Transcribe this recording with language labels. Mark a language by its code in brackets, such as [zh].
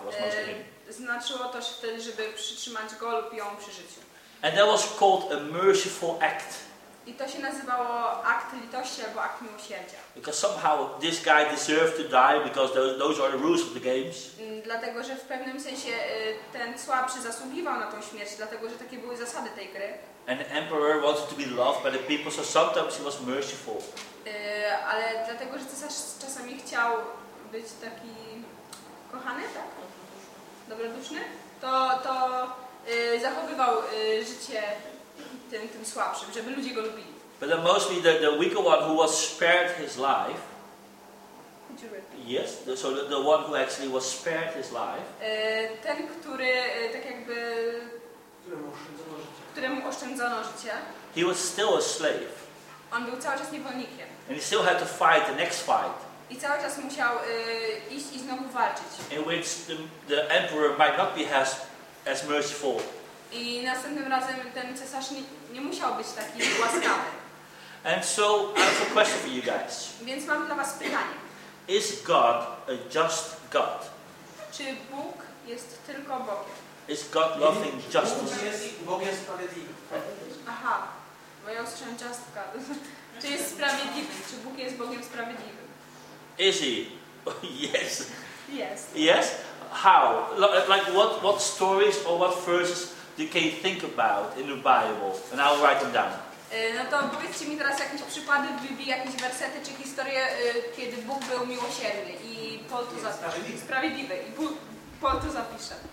[en] Was mostly him. [pl] Znaczyło to wtedy, żeby przytrzymać go lub ją przy życiu. [en] And that was called a merciful act. [pl] I to się nazywało akt litości albo akt miłosierdzia. [en] Because somehow this guy deserved to die because those are the rules of the games. [pl] Dlatego, że w pewnym sensie ten słabszy zasługiwał na tą śmierć, dlatego, że takie były zasady tej gry. [en] And the emperor wanted to be loved by the people, so sometimes he was merciful. [pl] Ale dlatego, że cesarz czasami chciał być taki kochany, tak? Dobroduszny? To zachowywał życie tym słabszym, żeby ludzie go lubili. [en] But then mostly the weaker one who was spared his life. Yes, the one who actually was spared his life. [pl] Ten, który tak jakby któremu oszczędzono życie. [en] He was still a slave. [pl] On był cały czas niewolnikiem. [en] And he still had to fight the next fight. [pl] I cały czas musiał iść i znowu walczyć. [en] In which the emperor might not be as merciful. [pl] I następnym razem ten cesarz nie musiał być taki łaskawy. [en] And so I have a question for you guys. [pl] Więc mam dla was pytanie. [en] Is God a just God? [pl] Czy Bóg jest tylko Bogiem? [en] Is God loving justice? [pl] Bóg jest sprawiedliwy. Aha, bo ja usłyszałem [en] just God. [pl] Czy jest sprawiedliwy? Czy Bóg jest Bogiem sprawiedliwym? [en] Is he? Yes. Yes. Yes? How? Like what stories or what verses you can think about in the Bible, and I'll write them down. [pl] No to powiedzcie mi teraz jakieś przypady w Biblii, jakieś wersety czy historie, kiedy Bóg był miłosierny i po to zapisze. Sprawiedliwy i Bóg po to zapisze.